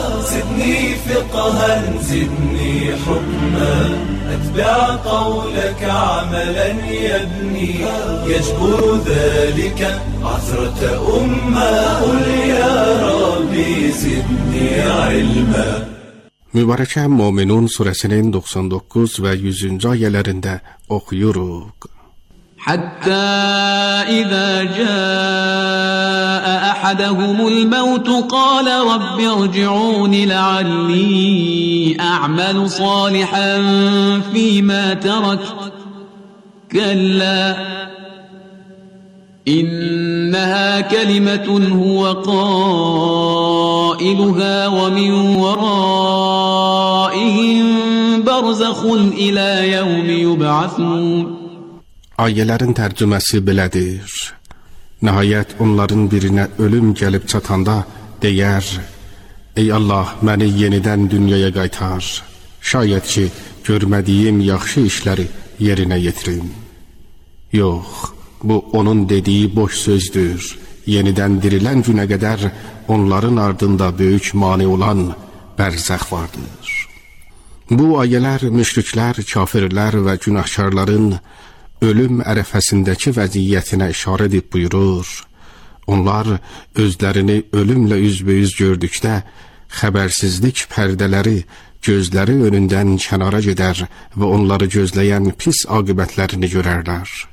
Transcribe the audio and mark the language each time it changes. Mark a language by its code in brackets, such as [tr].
[ar] زدني فقها زدني حكما أتبع قولك عملا يبني يجبر ذلك عثرة أمة قل يا ربي زدني علما. [az] Mübarəkə Möminun surəsinin 99 və 100-cü ayələrində oxuyuruq. [ar] Hatta izə jaa ahaduhumul maut qala rabbi irji'un la'alli a'malu salihan fima tarak kalla إنها كلمة هو قائلها ومن ورائهم برزخ إلى يوم يبعثون. [az] Ayələrin tərcüməsi belədir. Nəhayət onların birinə ölüm gəlib çatanda deyər, ey Allah, məni yenidən dünyaya qaytar. Şayət ki, görmədiyim yaxşı işləri yerinə yetirim. Yox, bu onun dediyi boş sözdür. Yenidən dirilən günə qədər onların ardında böyük mani olan bərzəx vardır. Bu ayələr müşriklər, kafirlər və günahkarların ölüm ərəfəsindəki vəziyyətinə işarə edib buyurur. Onlar özlərini ölümlə üzbəüz gördükdə xəbərsizlik pərdələri gözləri önündən kənara gedər və onları gözləyən pis aqibətlərini görərlər.